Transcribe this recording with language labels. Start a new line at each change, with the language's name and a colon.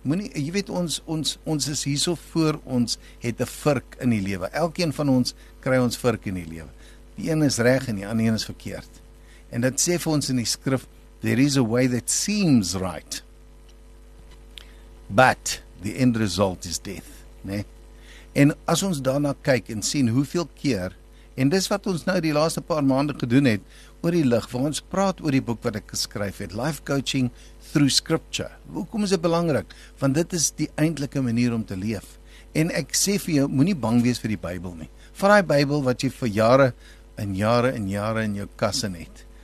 Afrikaans: Moenie, jy weet, ons is hierso voor ons het 'n vurk in die lewe. Elkeen van ons kry ons vurk in die lewe. Die een is reg en die ander een is verkeerd. En dit sê vir ons in die skrif,
English: there is a way that seems right, but the end result is death.
Afrikaans: Nee? En as ons daarna kyk en sien hoeveel keer, en dis wat ons nou die laaste paar maande gedoen het, oor die lig, waar ons praat oor die boek wat ek geskryf het, Life Coaching Through Scripture. Hoekom is dit belangrik? Want dit is die eintlike manier om te leef. En ek sê vir jou, moenie bang wees vir die Bybel nie. Vat daai Bybel wat jy vir jare en jare en jare in jou kas in het.